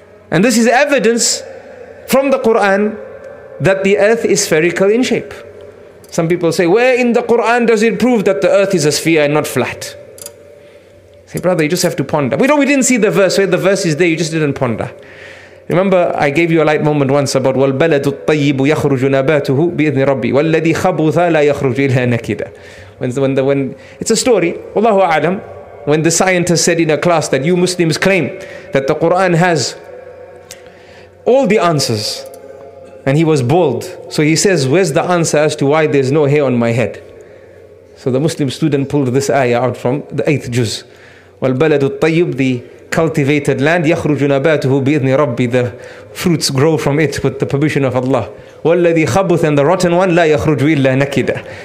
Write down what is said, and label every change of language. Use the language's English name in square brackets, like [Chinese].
[English] And this is evidence from the Quran that the earth is spherical in shape. Some people say, where in the Quran does it prove that the earth is a sphere and not flat? I say, brother, you just have to ponder. We didn't see the verse. Where the verse is there, you just didn't ponder. Remember, I gave you a light moment once about [Arabic] وَالْبَلَدُ الطَّيِّبُ يَخْرُجُ نَبَاتُهُ بِإِذْنِ رَبِّي وَالَّذِي خَبُثَ لَا يَخْرُجُ إِلَّا نَكِدًا. [English] When it's a story, Allahu A'lam, when the scientist said in a class that you Muslims claim that the Quran has all the answers, and he was bold, so he says, where's the answer as to why there's no hair on my head? So the Muslim student pulled this ayah out from the 8th juz. [Arabic] وَالْبَلَدُ الطَّيِّبُ, [English] the cultivated land, [Arabic] يَخْرُجُ نَبَاتُهُ بِإِذْنِ رَبِّي, [English] the fruits grow from it with the permission of Allah. [Arabic] وَالَّذِي خَبُثَ, [English] and the rotten one, [Arabic] لَا يَخْرُجُ إِلَّا نَكِدًا.